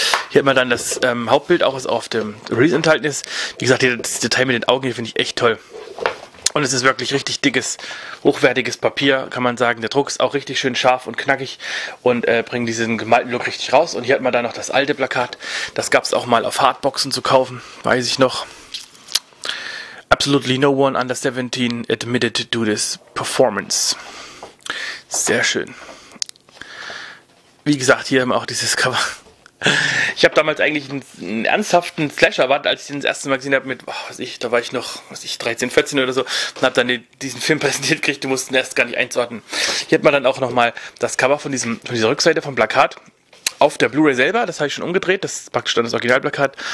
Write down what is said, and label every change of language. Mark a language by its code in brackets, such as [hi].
[de] Hier hat man dann das Hauptbild auch, was auf dem Release enthalten ist. Wie gesagt, das Detail mit den Augen hier finde ich echt toll. Und es ist wirklich richtig dickes, hochwertiges Papier, kann man sagen. Der Druck ist auch richtig schön scharf und knackig und bringt diesen gemalten Look richtig raus. Und hier hat man dann noch das alte Plakat. Das gab es auch mal auf Hardboxen zu kaufen, weiß ich noch. [en] Absolutely no one under 17 admitted to this performance. [de] Sehr schön. Wie gesagt, hier haben wir auch dieses Cover. Ich habe damals eigentlich einen ernsthaften Slasher erwartet, als ich den das erste Mal gesehen habe mit, was ich, da war ich noch, was ich, 13, 14 oder so, und habe dann diesen Film präsentiert gekriegt, du musst ihn erst gar nicht einordnen. Hier hat man dann auch nochmal das Cover von dieser Rückseite vom Plakat auf der Blu-ray selber, das habe ich schon umgedreht, das ist praktisch dann das Originalplakat.